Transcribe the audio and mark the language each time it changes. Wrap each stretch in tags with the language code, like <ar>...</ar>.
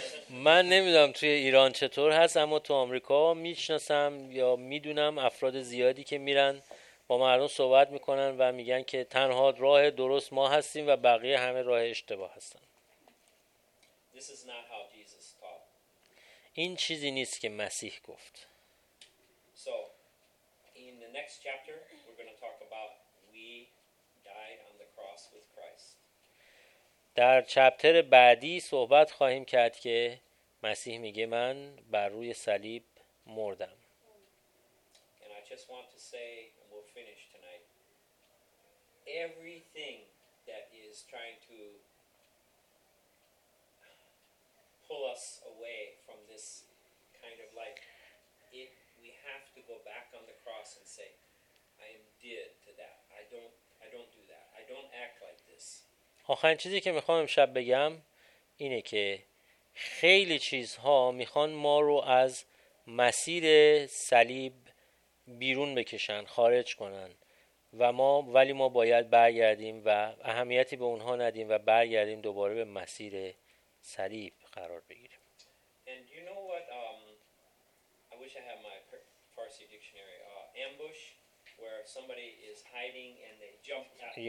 <fa>من نمیدونم توی ایران چطور هست اما تو آمریکا میشناسم یا میدونم افراد زیادی که میرن با مردم صحبت میکنن و میگن که تنها راه درست ما هستیم و بقیه همه راه اشتباه هستن.</fa> <en>This is not how Jesus taught.</en> <fa>این چیزی نیست که مسیح گفت.</fa> <en>So in the next chapter we're going to talk about we died on the cross with Christ.</en> <fa>در چپتر بعدی صحبت خواهیم کرد که مسیح میگه من بر روی صلیب مردم.</fa> <en>And I just want to say, and we'll finish tonight, everything that is trying to pull us away from this kind of life, it, we have to go back on the cross and say, I am dead to that. I don't do that. I don't act like this.</en> <fa>آخرین چیزی که میخوام امشب بگم اینه که خیلی چیزها میخوان ما رو از مسیر صلیب بیرون بکشن، خارج کنن و ولی ما باید برگردیم و اهمیتی به اونها ندیم و برگردیم دوباره به مسیر صلیب قرار بگیریم.</fa> <en>And you know what, I wish I had my Farsi dictionary, ambush, where somebody is hiding and they jump at you.</en>